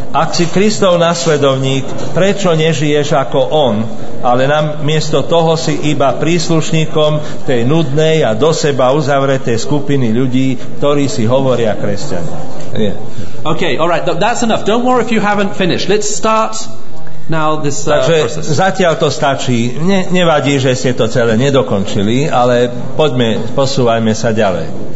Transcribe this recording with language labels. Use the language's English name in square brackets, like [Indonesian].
[Slovak] Ak si Kristov nasledovník, prečo nežiješ ako on, ale namiesto toho si iba príslušníkom tej nudnej a do seba uzavretej skupiny ľudí, ktorí si hovoria kresťan. [English] Yeah. Okay, all right, that's enough. Don't worry if you haven't finished. Let's start now this [Slovak] takže [English] process. [Slovak] Zatiaľ to stačí. Nevadí, že ste to celé nedokončili, ale poďme, posúvajme sa ďalej.